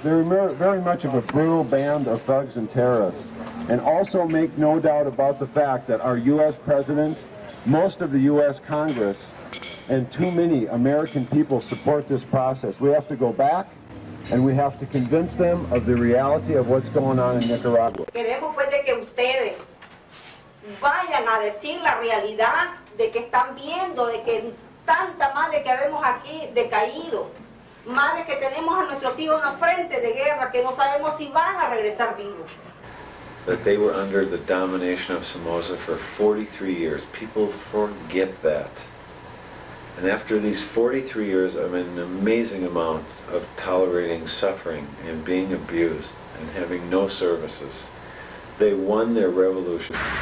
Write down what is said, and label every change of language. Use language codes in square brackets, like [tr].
[en] They're very much of a brutal band of thugs and terrorists. And also make no doubt about the fact that our U.S. president, most of the U.S. Congress, and too many American people support this process. We have to go back, and we have to convince them of the reality of what's going on in Nicaragua. [es] Queremos pues de que ustedes vayan a decir la realidad de que están viendo, de que tanta madre que vemos aquí decaído. Madre que tenemos a nuestros hijos en la frente de guerra, que no sabemos si van a regresar vivos. [en] That they were under the domination of Somoza for 43 years. People forget that. And after these 43 years of an amazing amount of tolerating suffering and being abused and having no services, they won their revolution.